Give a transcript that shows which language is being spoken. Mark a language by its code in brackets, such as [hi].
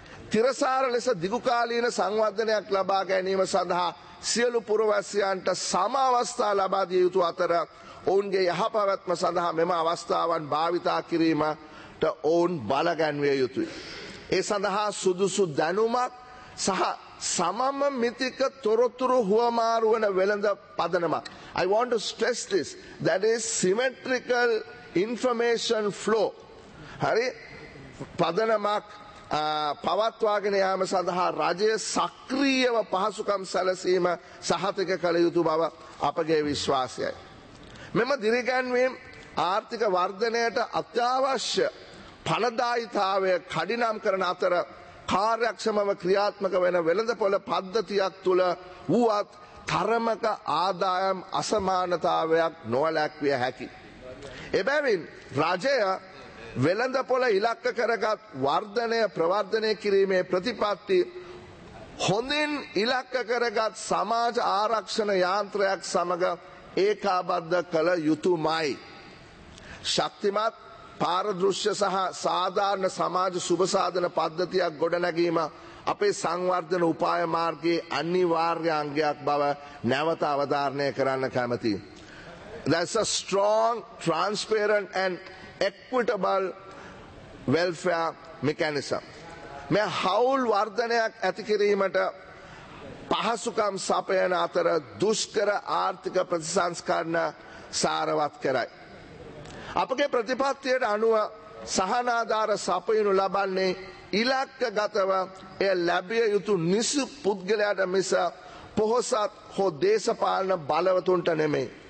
[si] තිරසාර ලෙස දිගුකාලීන සංවර්ධනයක් ලබා ගැනීම සඳහා සියලු පුරවැසියන්ට සම අවස්ථා ලබා දිය යුතු අතර ඔවුන්ගේ යහපැවැත්ම සඳහා මෙම අවස්ථාවන් භාවිතා කිරීමට ඔවුන් බලගැන්විය යුතුයි. ඒ සඳහා සුදුසු දැනුමක් සහ සමම මිතික තොරතුරු හුවමාරු වන වෙළඳ පදනමක්. [en] I want to stress this, that is symmetrical information flow. [si] හරි, පදනමක් පවත්වාගෙන යාම සඳහා රජය සක්‍රීයව පහසුකම් සැලසීම සහතික කළ යුතු බව අපගේ විශ්වාසයයි. මෙම දිරිගැන්වීම ආර්ථික වර්ධනයට අත්‍යවශ්‍ය ඵලදායිතාවය කඩිනම් කරන අතර කාර්යක්ෂමව ක්‍රියාත්මක වෙන වෙළඳපොළ පද්ධතියක් තුළ වූවත් තරමක ආදායම් අසමානතාවයක් නොවැළැක්විය හැකි. එබැවින් රජය වෙළඳපොළ ඉලක්ක කරගත් වර්ධනය ප්‍රවර්ධනය කිරීමේ ප්‍රතිපත්ති හොඳින් ඉලක්ක කරගත් සමාජ ආරක්ෂණ යාන්ත්‍රයක් සමග ඒකාබද්ධ කළ යුතුමයි. ශක්තිමත් පාරදෘශ්‍ය සහ සාධාරණ සමාජ සුබසාධන පද්ධතියක් ගොඩනැගීම අපේ සංවර්ධන උපාය මාර්ගයේ අනිවාර්ය අංගයක් බව නැවත අවධාරණය කරන්න කැමැති. [en] That's a strong, transparent and equitable welfare mechanism. [si] මේ හවුල් වර්ධනයක් ඇති කිරීමට පහසුකම් සපයන අතර දුෂ්කර ආර්ථික ප්‍රතිසංස්කරණ සාරවත් කරයි. අපගේ ප්‍රතිපත්තියට අනුව සහනාධාර සපයනු ලබන්නේ ඉලක්ක ගතව එය ලැබිය යුතු නිසි පුද්ගලයාට මිස පොහොසත් හෝ දේශපාලන බලවතුන්ට නෙමෙයි.